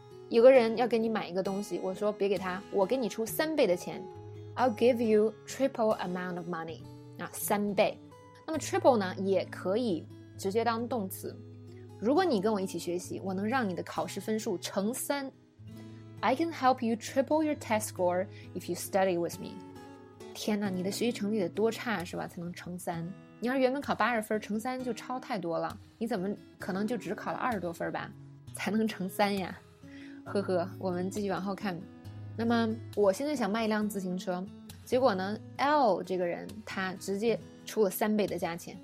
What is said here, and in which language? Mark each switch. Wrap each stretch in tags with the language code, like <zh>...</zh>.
<zh>有个人要给你买一个东西，我说别给他，我给你出三倍的钱，</zh> <en>I'll give you triple amount of money，</en> <zh>那三倍。那么 triple 呢也可以直接当动词，如果你跟我一起学习，我能让你的考试分数乘三。</zh> <en>I can help you triple your test score if you study with me.</en> <zh>天哪，你的学习成绩得多差是吧，才能乘三。你要是原本考80分，乘三就超太多了。你怎么可能就只考了20多分吧，才能乘三呀。呵呵，我们继续往后看。那么我现在想卖一辆自行车，结果呢 L 这个人他直接出了3倍的价钱。</zh>